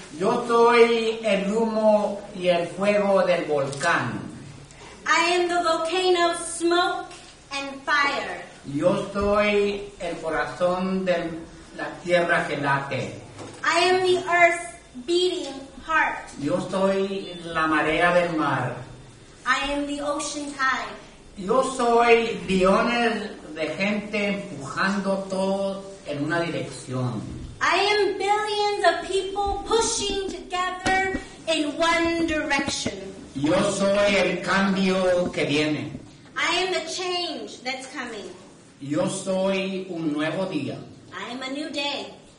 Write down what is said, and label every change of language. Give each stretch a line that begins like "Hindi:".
Spanish: Yo soy el humo y el fuego del volcán.
English: I am the volcano of smoke and fire.
Spanish: Yo soy el corazón de la tierra que late.
English: I am the earth's beating heart.
Spanish: Yo soy la marea del mar.
English: I am the ocean tide.
Spanish: Yo soy billones de gente empujando todos en una dirección.
English: I am billions of people pushing together in one direction.
Spanish: Yo soy el cambio que viene.
English: I am the change that's coming.
Spanish: Yo soy un nuevo día.
English: I am a new day.